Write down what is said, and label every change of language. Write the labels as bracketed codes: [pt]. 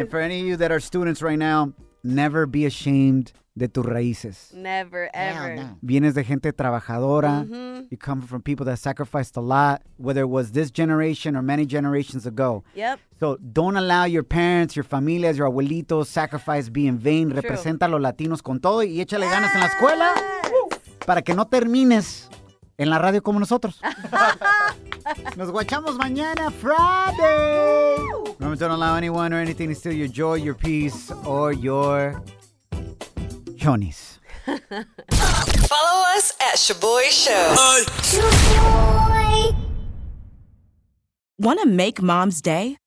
[en] And for any of you that are students right now, never be ashamed [es] de tus raíces. [en] Never, ever. [es] No. Vienes de gente trabajadora. [en] Mm-hmm. You come from people that sacrificed a lot, whether it was this generation or many generations ago. Yep. So don't allow your parents, your familias, your abuelitos sacrifice be in vain. True. [es] Representa a los latinos con todo y échale ganas en la escuela. [en] Yes. [es] Para que no termines en la radio como nosotros. Nos guachamos mañana, [en] Friday. Remember, don't allow anyone or anything to steal your joy, your peace, or your... Chonies. Follow us at Shaboy Show. Want to make mom's day?